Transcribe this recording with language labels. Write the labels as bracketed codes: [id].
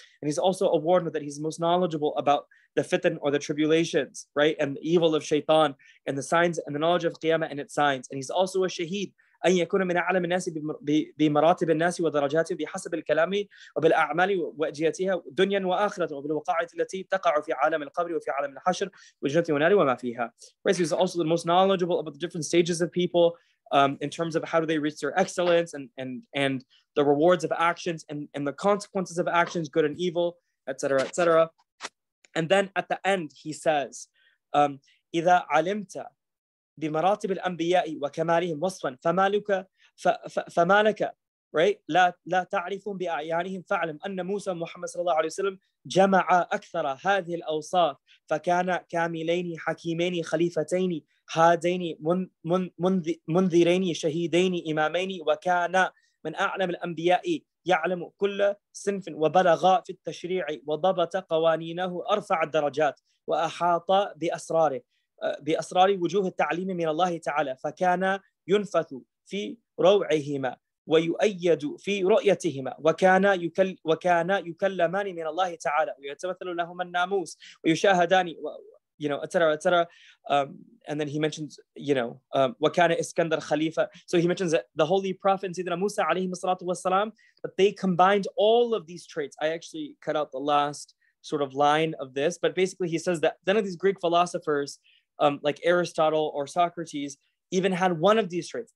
[en] And he's also a warner that he's most knowledgeable about the fitan or the tribulations, right? And the evil of shaitan and the signs and the knowledge of qiyamah and its signs. And he's also a shaheed. [ar] أن يكون من أعلم الناس بمراتب الناس ودرجاته بحسب الكلام وبالأعمال وأجيتها دنيا وآخرة وبالوقاعة التي تقع في عالم القبر وفي عالم الحشر وجنة ونار وما فيها. [en] Right, so he's also the most knowledgeable about the different stages of people, in terms of how do they reach their excellence and the rewards of actions and the consequences of actions, good and evil, etc., etc. And then at the end he says, [ar] إذا علمت بمراتب الأنبياء وكمالهم وصفا فمالك فمالك right لا تعرفهم بأعيانهم فعلم أن موسى محمد صلى الله عليه وسلم جمع أكثر هذه الأوصاف فكان كاملين حكيمين خليفتين هادين منذرين شهيدين إمامين وكان من أعلم الأنبياء يعلم كل صنف وبلغ في التشريع وضبط قوانينه أرفع الدرجات وأحاط بأسراره بأسرار وجوه التعليم من الله تعالى فكان ينفث في روعهما ويؤيد في رؤيتهما وكان يكلمان من الله تعالى ويتمثل لهما الناموس ويشاهدان [en] you know, et cetera, et cetera. And then he mentions, you know, [ar] وَكَانَ إِسْكَنْدَرْ خَلِيفَ. [en] So he mentions that the Holy Prophet, Sayyidina Musa, alayhi salatu wasalam, that they combined all of these traits. I actually cut out the last sort of line of this, but basically he says that none of these Greek philosophers, like Aristotle or Socrates, even had one of these traits.